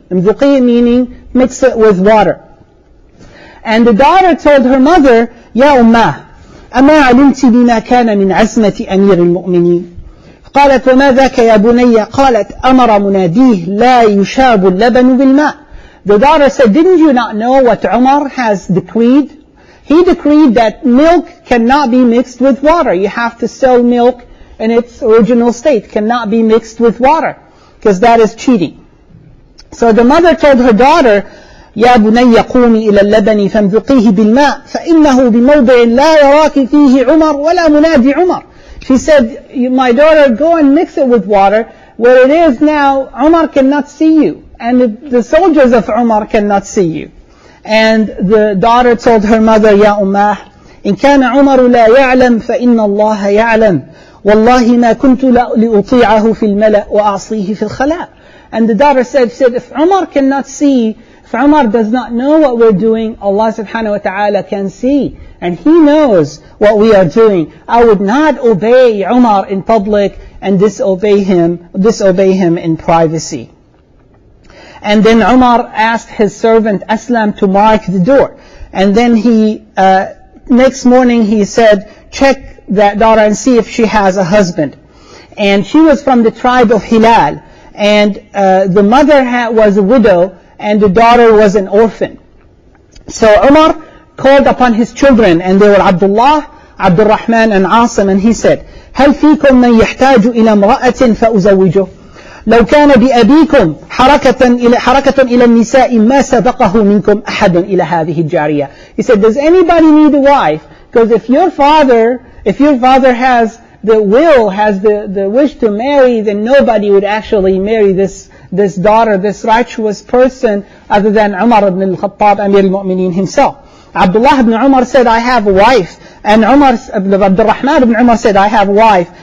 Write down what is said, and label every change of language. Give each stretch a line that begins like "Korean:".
English: مذقي meaning mix it with water. And the daughter told her mother,
Arabic: يَا أُمَّهِ أَمَا عَلِمْتِ بِمَا كَانَ مِنْ عَزْمَةِ أَمِيرِ الْمُؤْمِنِينَ. قالت وما ذاك يا بني قالت أمر مناديه لا يشاب اللبن بالماء.
English: The daughter said, didn't you not know what Umar has decreed? He decreed that milk cannot be mixed with water. You have to sell milk in its original state. Cannot be mixed with water. Because that is cheating. So the mother told her daughter,
Arabic: يَا بُنَيَّ قُومِ إِلَى اللَّبَنِ فَانْذُقِيهِ بِالْمَاءِ فَإِنَّهُ بِمَوْضِعٍ لَا يَرَاكِ فِيهِ عُمَرْ وَلَا مُنَادِي عُمَرْ.
English: She said, my daughter, go and mix it with water. Where it is now, Umar cannot see you. And the soldiers of Umar cannot see you. And the daughter told her mother,
Arabic: يَا أُمَّاهِ إِنْ كَانَ عُمَرُ لَا يَعْلَمْ فَإِنَّ اللَّهَ يَعْلَمْ وَاللَّهِ مَا كُنْتُ لِأُطِيعَهُ فِي الْمَلَأْ وَأَعْصِيهِ فِي الْخَلَاءِ.
English: And the daughter said, if Umar cannot see, if Umar does not know what we're doing, Allah subhanahu wa ta'ala can see. And He knows what we are doing. I would not obey Umar in public and disobey him in privacy. And then Umar asked his servant Aslam to mark the door. And then next morning he said, check that daughter and see if she has a husband. And she was from the tribe of Hilal. And the mother was a widow and the daughter was an orphan. So Umar called upon his children and they were Abdullah, Abdurrahman and Asim.
Arabic: And he said, هَلْ فِيكُمْ مَنْ يَحْتَاجُ إِلَى مْرَأَةٍ فَأُزَوِّجُهُ لو كان بأبيكم حركة إلى النساء ما سبقه منكم أحد إلى هذه الجارية.
English: He said, does anybody need a wife? Because if your father has the will, has the wish to marry, then nobody would actually marry this daughter, this righteous person, other than Umar ibn al-Khattab, Amir al-Mu'mineen himself. Abdullah ibn Umar said, I have a wife. And Umar Abdurrahman ibn Umar said, I have a wife.